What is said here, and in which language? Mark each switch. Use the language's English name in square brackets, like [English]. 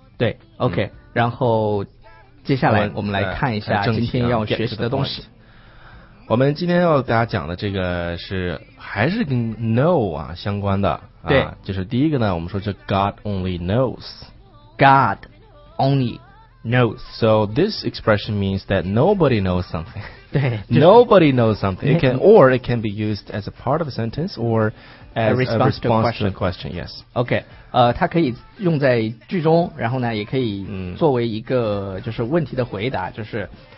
[Chinese] 对 OK、嗯、然后接下来我们来看一下今天要学习的东西。我们今天要给大家讲的这个是还是跟 no 啊相关的啊。对，就是第一个呢，我们说这 [English] God only knows， God only knows， so this expression means that nobody knows something。 [Chinese] 对、就是、 [English] nobody knows something， it can be used as a part of a sentence or as a response to a question. Yes， [Chinese] OK， 它可以用在句中，然后呢也可以作为一个就是问题的回答，就是